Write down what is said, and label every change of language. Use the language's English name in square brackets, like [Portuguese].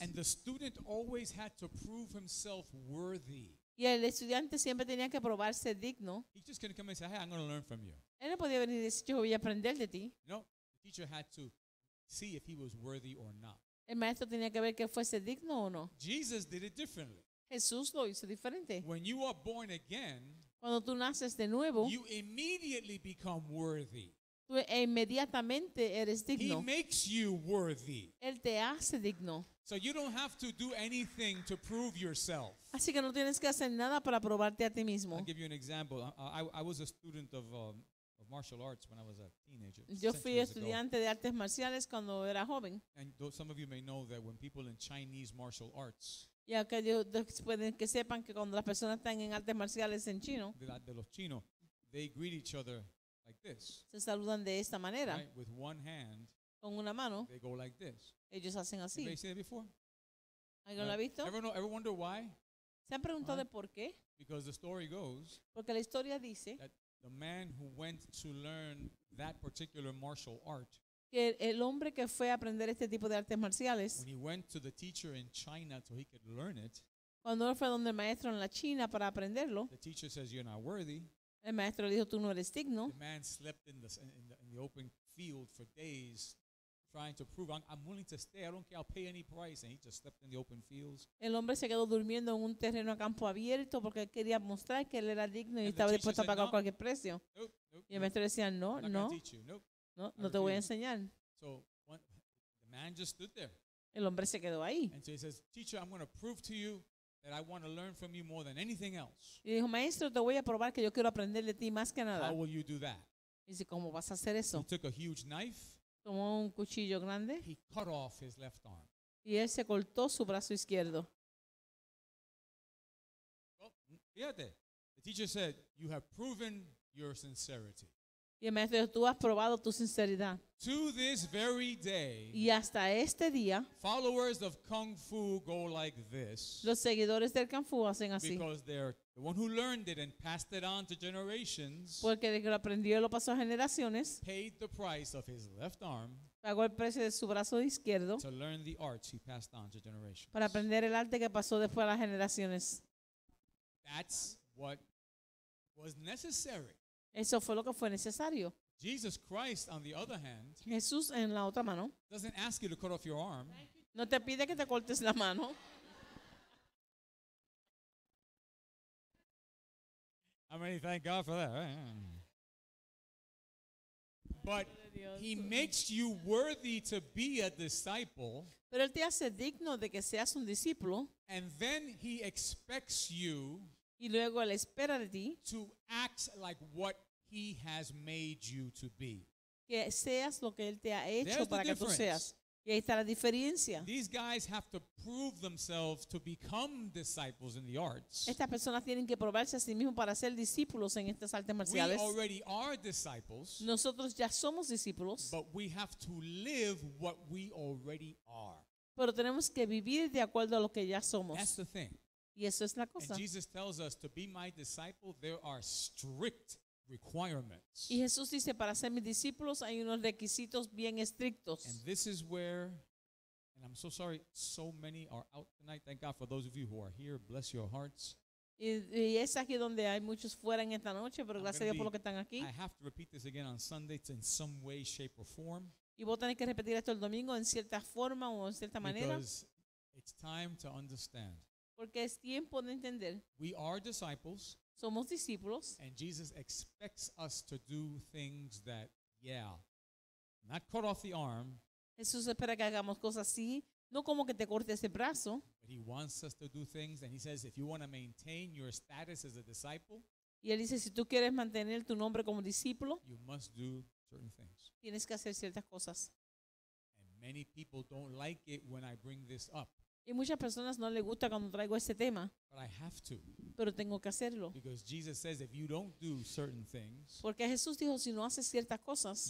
[English] And the student always had to prove himself worthy. [Spanish] Y el estudiante siempre tenía que probarse digno. [English] He just couldn't come and say, "Hey, I'm going to learn from you." [Spanish] Él no podía venir y decir, yo voy a aprender de ti. [English] No, the teacher had to see if he was worthy or not. [Spanish] El maestro tenía que ver que fuese digno o no. [English] Jesus did it differently. [Spanish] Jesús lo hizo diferente. [English] When you are born again, [Spanish] cuando tú naces de nuevo, [English] you immediately become worthy. [Spanish] Tú inmediatamente eres digno. [English] He makes you worthy. [Spanish] Él te hace digno. [English] So you don't have to do anything to prove yourself. [Spanish] Así que no tienes que hacer nada para probarte a ti mismo. [English] I'll give you an example. I was a student of martial arts when I was a teenager. [Spanish] Yo fui estudiante de artes marciales cuando era joven. [English] And some of you may know that when people in Chinese martial arts. [Spanish] Y pueden que sepan que cuando las personas están en artes marciales en chino. De los chinos, [English] they greet each other like this. [Spanish] Se saludan de esta manera. [English] Right? With one hand. [Spanish] Con una mano. [English] They go like this. [Spanish] Ellos hacen así. [English] Have you seen it before? [Spanish] ¿Alguien lo ha visto? [English] Ever wonder why? [Spanish] ¿Se han preguntado de por qué? [English] Because the story goes. [Spanish] Porque la historia dice. [English] That the man who went to learn that particular martial art. [Spanish] Que el hombre que fue a aprender este tipo de artes marciales. [English] When he went to the teacher in China so he could learn it. [Spanish] Cuando él fue donde el maestro en la China para aprenderlo. [English] The teacher says, "You're not worthy." [Spanish] El maestro le dijo, "Tú no eres digno." [English] The man slept in the open field for days. trying to prove I'm willing to stay. I don't care. I'll pay any price. And he just slept in the open fields. [Spanish] El hombre se quedó durmiendo en un terreno a campo abierto porque él quería mostrar que él era digno y estaba dispuesto a pagar cualquier precio. Y el maestro decía, no te voy a enseñar. [English] So the man just stood there. [Spanish] El hombre se quedó ahí. [English] And so he says, teacher, I'm going to prove to you that I want to learn from you more than anything else. [Spanish] Y dijo, maestro, te voy a probar que yo quiero aprender de ti más que nada. [English] How will you do that? [Spanish] Y dice, ¿cómo vas a hacer eso? [English] He took a huge knife. [Spanish] Tomó un cuchillo grande. [English] He cut off his left arm. [Spanish] Y él se cortó su brazo izquierdo. [English] Well, [Spanish] fíjate, [English] the teacher said, you have proven your sincerity. [Spanish] Y el maestro dijo, tú has probado tu sinceridad. [English] To this very day, [Spanish] y hasta este día, [English] followers of Kung Fu go like this, [Spanish] los seguidores del Kung Fu hacen así. [English] Because they're the one who learned it and passed it on to generations, [Spanish] porque el que lo aprendió lo pasó a generaciones, [English] paid the price of his left arm, [Spanish] pagó el precio de su brazo izquierdo, [English] to learn the arts he passed on to generations. [Spanish] Para aprender el arte que pasó después a las generaciones. [English] That's what was necessary. [Spanish] Eso fue lo que fue necesario. [English] Jesus Christ, on the other hand, [Spanish] Jesús en la otra mano, [English] doesn't ask you to cut off your arm. [Spanish] No te pide que te cortes la mano. [English] I mean, thank God for that. But he makes you worthy to be a disciple. [Spanish] Pero él te hace digno de que seas un discípulo. [English] And then he expects you. [Spanish] Y luego él espera de ti. [English] To act like what he has made you to be. [Spanish] Que seas lo que él te ha hecho. [English] There's [Spanish] para que tú seas. Y ahí está la diferencia. [English] These guys have to prove themselves to become disciples in the arts. [Spanish] Estas personas tienen que probarse a sí mismos para ser discípulos en estas artes marciales. [English] We already are disciples. [Spanish] Nosotros ya somos discípulos. [English] But we have to live what we already are. [Spanish] Pero tenemos que vivir de acuerdo a lo que ya somos. [English] That's the thing. [Spanish] Y eso es la cosa. [English] And Jesus tells us, to be my disciple, there are strict requirements. [Spanish] Y Jesús dice, para ser mis discípulos hay unos requisitos bien estrictos. [English] And this is where, and I'm so sorry, so many are out tonight. Thank God for those of you who are here. Bless your hearts. [Spanish] Y es aquí donde hay muchos fuera en esta noche, pero gracias a Dios por lo que están aquí. [English] I have to repeat this again on Sunday in some way, shape, or form. [Spanish] Y voy a tener que repetir esto el domingo en cierta forma o en cierta manera. [English] Because it's time to understand. [Spanish] Porque es tiempo de entender. [English] We are disciples. [Spanish] Somos discípulos. [English] And Jesus expects us to do things that, yeah, not cut off the arm. [Spanish] Jesús espera que hagamos cosas así, no como que te cortes el brazo. [English] But he wants us to do things, and he says, if you want to maintain your status as a disciple, [Spanish] y él dice, si tú quieres mantener tu nombre como discípulo, [English] you must do certain things. [Spanish] Tienes que hacer ciertas cosas. [English] And many people don't like it when I bring this up. [Spanish] Y muchas personas no les gusta cuando traigo este tema. [English] But I have to. [Spanish] Pero tengo que hacerlo. [English] Because Jesus says if you don't do certain things, [Spanish] porque Jesús dijo, si no haces ciertas cosas,